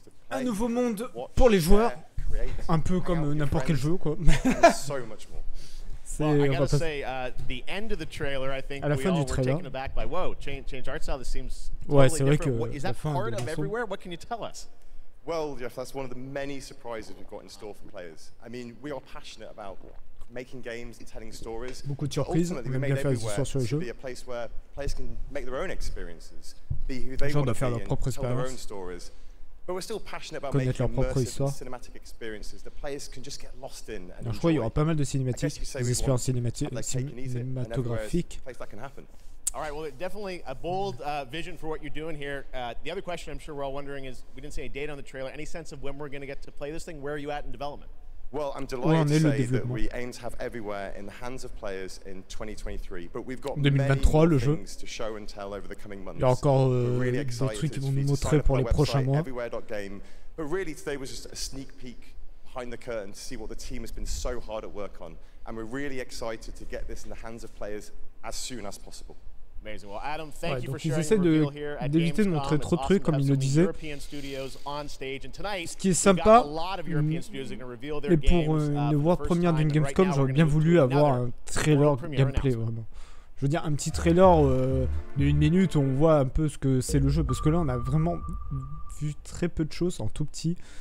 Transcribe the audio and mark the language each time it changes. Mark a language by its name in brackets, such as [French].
[French] Un nouveau monde pour les joueurs, un peu comme n'importe quel jeu, quoi. À la fin du trailer, ouais, c'est vrai que la fin de morceau. [English] Well, Jeff, that's one of the many surprises we've got in store for players. I mean, we are passionate about making games and telling stories. [French] Beaucoup de surprises, on aime bien faire des histoires sur les jeux. [English] Be a place where players can make their own experiences, be who they want to be, tell their own stories. But we're still passionate about making immersive cinematic experiences that players can just get lost in. [French] Je crois qu'il y aura pas mal de cinématiques, des expériences cinématographiques. [English] All right, well, definitely a bold vision for what you're doing here. The other question I'm sure we're all wondering is, we didn't see a date on the trailer. Any sense of when we're going to get to play this thing? Where are you at in development? Well, I'm delighted to say that we aim to have everywhere in the hands of players in 2023. But we've got many things to show and tell over the coming months. [French] Il y a encore really des trucs qu'ils vont nous montrer pour les prochains mois. [English] Everywhere.game. But really, today was just a sneak peek behind the curtain to see what the team has been so hard at work on. And we're really excited to get this in the hands of players as soon as possible. Amazing. Well, Adam, thank you for sharing your reveal here at Gamescom. [French] D'éviter de montrer trop de trucs, comme il le disait. [English] European studios on stage, and tonight, [French] ce qui est sympa, mais pour une voix première d'une Gamescom, j'aurais bien voulu avoir un trailer gameplay, vraiment. Je veux dire, un petit trailer d'une minute où on voit un peu ce que c'est le jeu, parce que là, on a vraiment vu très peu de choses en tout petit.